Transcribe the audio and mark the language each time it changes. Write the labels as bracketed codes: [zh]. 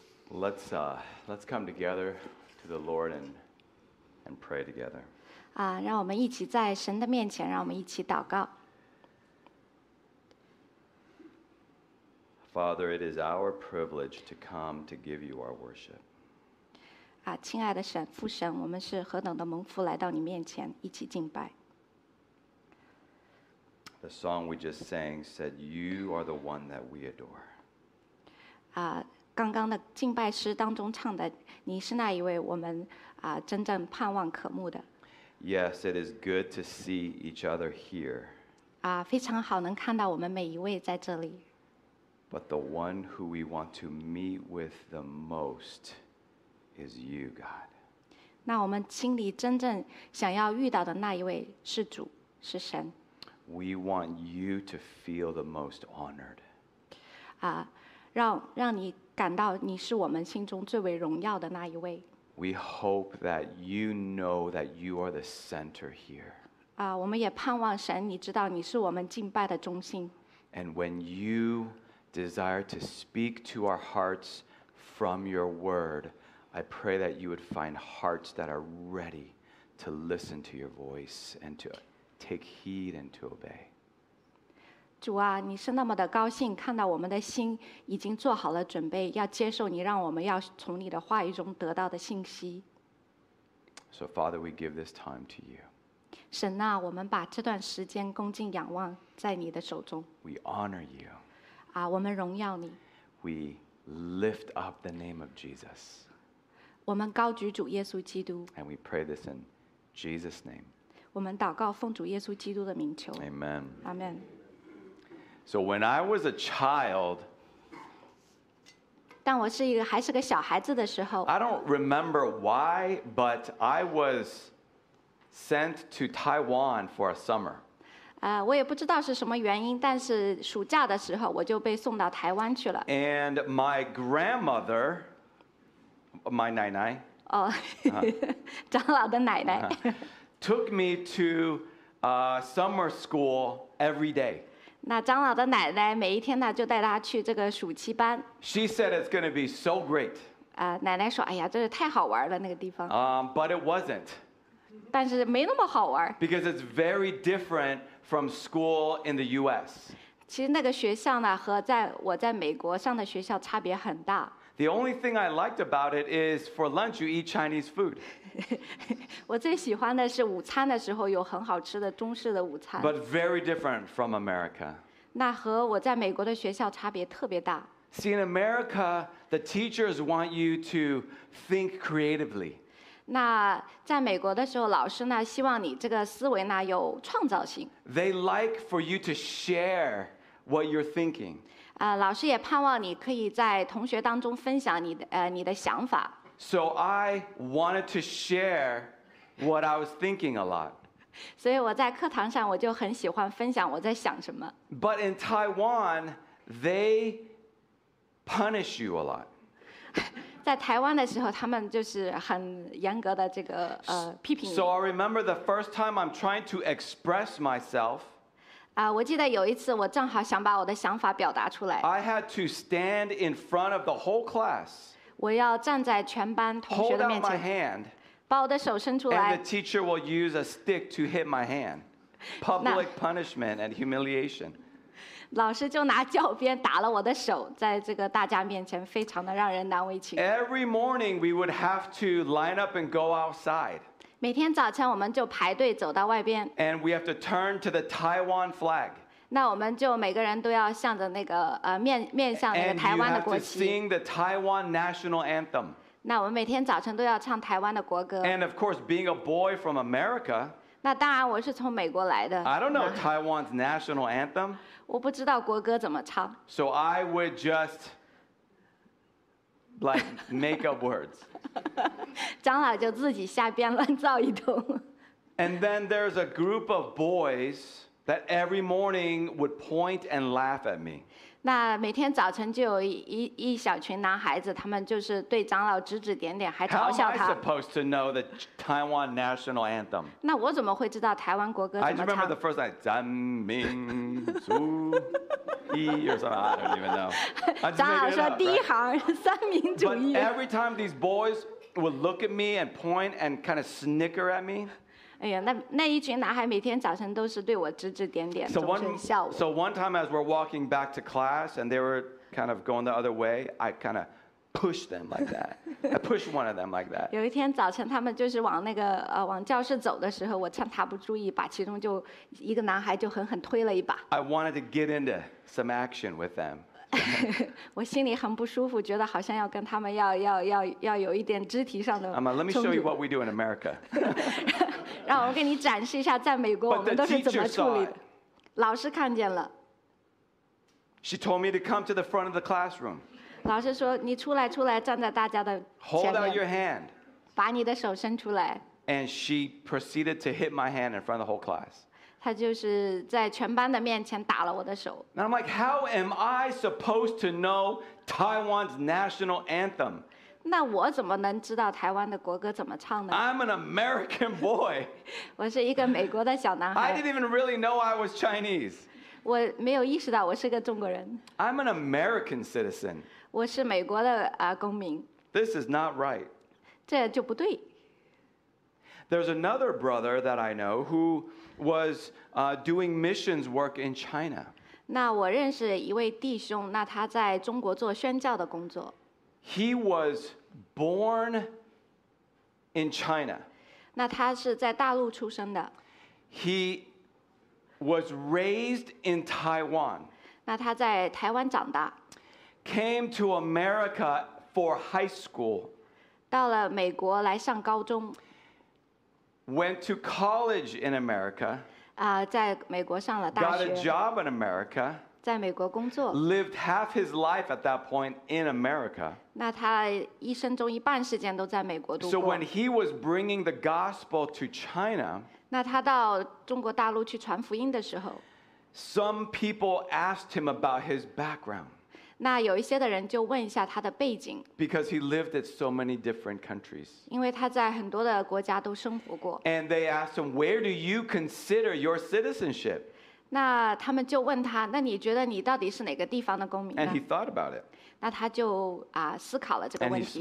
[en] Let's come together to the Lord and pray together. [zh] 让我们一起在神的面前，让我们一起祷告。 [en] Father, it is our privilege to come to give you our worship. [zh] 亲爱的神，父神，我们是何等的蒙福来到你面前，一起敬拜。 [en] The song we just sang said, "You are the one that we adore." [zh] 刚刚的敬拜诗当中唱的，你是那一位我们真正盼望渴慕的。 [en] Yes, it is good to see each other here. [zh] 非常好，能看到我们每一位在这里。 [en] But the one who we want to meet with the most is you, God. [zh] 那我们心里真正想要遇到的那一位是主，是神。 [en] We want you to feel the most honored. [zh] 让你感到你是我们心中最为荣耀的那一位。 [en] We hope that you know that you are the center here. [zh] 我们也盼望神，你知道你是我们敬拜的中心。 [en] And when you desire to speak to our hearts from your word, I pray that you would find hearts that are ready to listen to your voice and to take heed and to obey. [zh] 主啊，你是那么的高兴，看到我们的心已经做好了准备，要接受你让我们要从你的话语中得到的信息。 [en] So Father, we give this time to you. [zh] 神啊，我们把这段时间恭敬仰望在你的手中。 [en] We honor you. [zh] 我们荣耀你。 [en] We lift up the name of Jesus. [zh] 我们高举主耶稣基督。 [en] And we pray this in Jesus' name. [zh] 我们祷告奉主耶稣基督的名求。 [en] Amen. [zh] Amen. [en] So when I was a child, [zh] 当我是一个还是个小孩子的时候 [en] I don't remember why, but I was sent to Taiwan for a summer. [zh] 我也不知道是什么原因，但是暑假的时候我就被送到台湾去了。 [en] And my grandmother, my 奶奶， [zh] 长老的奶奶。 [en] Took me to summer school every day. [zh] 那张老的奶奶每一天呢就带他去这个暑期班。 [en] She said it's going to be so great. [zh] 奶奶说，哎呀，这是太好玩了那个地方。 [en] But it wasn't. [zh] 但是没那么好玩。 [en] Because it's very different from school in the U.S. [zh] 其实那个学校呢和在我在美国上的学校差别很大。 [en] The only thing I liked about it is for lunch you eat Chinese food. [zh] 我最喜欢的是午餐的时候有很好吃的中式的午餐。 [en] But very different from America. [zh] 那和我在美国的学校差别特别大。 [en] See, in America, the teachers want you to think creatively. [zh] 那在美国的时候老师呢希望你这个思维呢有创造性。 [en] They like for you to share what you're thinking. [zh] 老师也盼望你可以在同学当中分享你的想法。 [en] So I wanted to share what I was thinking a lot. [zh] 所以我在课堂上我就很喜欢分享我在想什么。 [en] But in Taiwan, they punish you a lot. [zh] 在台湾的时候他们就是很严格的这个批评你。 [en] So I remember the first time I'm trying to express myself, [zh] 我记得有一次我正好想把我的想法表达出来。 [en] I had to stand in front of the whole class. [zh] 我要站在全班同学的面前。 [en] Hold out my hand. [zh] 把我的手伸出来。 [en] And the teacher will use a stick to hit my hand. Public punishment and humiliation. [zh] 老师就拿教鞭打了我的手，在这个大家面前非常的让人难为情。 [en] Every morning we would have to line up and go outside. [zh] 每天早晨我们就排队走到外边。 [en] And we have to turn to the Taiwan flag. [zh] 那我们就每个人都要向着那个面向那个台湾的国旗。 [en] And you have to sing the Taiwan national anthem. [zh] 那我们每天早晨都要唱台湾的国歌。 [en] And of course, being a boy from America, [zh] 那当然我是从美国来的。 [en] I don't know Taiwan's national anthem. [zh] 我不知道国歌怎么唱。 [en] So I would just like make up words. [zh] 张老就自己瞎编乱造一通。 [en] And then there's a group of boys. That every morning would point and laugh at me. [zh] 那每天早晨就有 一小群男孩子，他们就是对长老指指点点，还嘲笑他。 [en] How am I supposed to know the Taiwan national anthem? [zh] 那我怎么会知道台湾国歌怎么唱 [en] ？I just remember the first line, [zh] 咱民族一 [en] or something. I don't even know. [zh] 长老说第一行三民主义。 [en] But every time these boys would look at me and point and kind of snicker at me. [zh] 哎呀，那一群男孩每天早晨都是对我指指点点，总是笑我。 [en] So one time as we're walking back to class and they were kind of going the other way, I kind of pushed them like that. I pushed one of them like that. [zh] 有一天早晨他们就是往那个往教室走的时候，我趁他不注意，把其中就一个男孩就狠狠推了一把。 [en] I wanted to get into some action with them. [zh] 我心里很不舒服，觉得好像要跟他们要有一点肢体上的冲突。 [en] Let me show you what we do in America. [zh] 让我给你展示一下，在美国我们都是怎么处理的。老师看见了。 [en] She told me to come to the front of the classroom. [zh] 老师说你出来，出来，站在大家的前面。 [en] Hold out your hand. [zh] 把你的手伸出来。 [en] And she proceeded to hit my hand in front of the whole class. [zh] 她就是在全班的面前打了我的手。 [en] And I'm like, how am I supposed to know Taiwan's national anthem? [zh] 那我怎么能知道台湾的国歌怎么唱呢 [en] ？I'm an American boy. [zh] 我是一个美国的小男孩。 [en] I didn't even really know I was Chinese. [zh] 我没有意识到我是个中国人。 [en] I'm an American citizen. [zh] 我是美国的公民。 [en] This is not right. [zh] 这就不对。 [en] There's another brother that I know who was doing missions work in China. [zh] 那我认识一位弟兄，那他在中国做宣教的工作。 [en] He was born in China. [zh] 那他是在大陆出生的。 [en] He was raised in Taiwan. [zh] 那他在台湾长大。 [en] Came to America for high school. [zh] 到了美国来上高中。 [en] Went to college in America. [zh] 在美国上了大学。 [en] Got a job in America. [zh] 在美国工作。 [en] Lived half his life at that point in America. [zh] 那他一生中一半时间都在美国度过。 [en] So when he was bringing the gospel to China, [zh] 那他到中国大陆去传福音的时候， [en] some people asked him about his background. [zh] 那有一些的人就问一下他的背景。 [en] Because he lived in so many different countries. [zh] 因为他在很多的国家都生活过。 [en] And they asked him, "Where do you consider your citizenship?" [zh] 那他们就问他，那你觉得你到底是哪个地方的公民呢？ [en] And he thought about it. [zh] 那他就思考了这个问题。